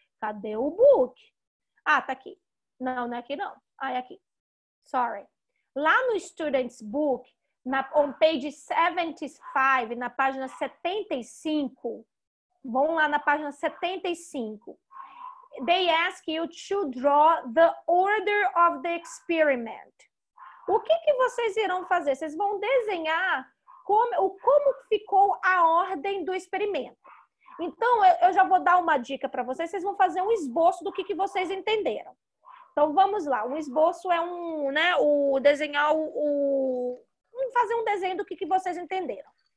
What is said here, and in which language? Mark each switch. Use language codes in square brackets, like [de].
[pt] Cadê o book? Ah, tá aqui. Não é aqui, não. Ah, é aqui. Sorry. Lá no Students Book, [en] on page 75, [pt] na página 75, vão lá na página 75. [en] They ask you to draw the order of the experiment. [pt] O que vocês irão fazer? Vocês vão desenhar como ficou a ordem do experimento. Então, eu já vou dar uma dica para vocês. Vocês vão fazer um esboço do que vocês entenderam. Então, vamos lá. Um esboço é fazer um desenho do que vocês entenderam.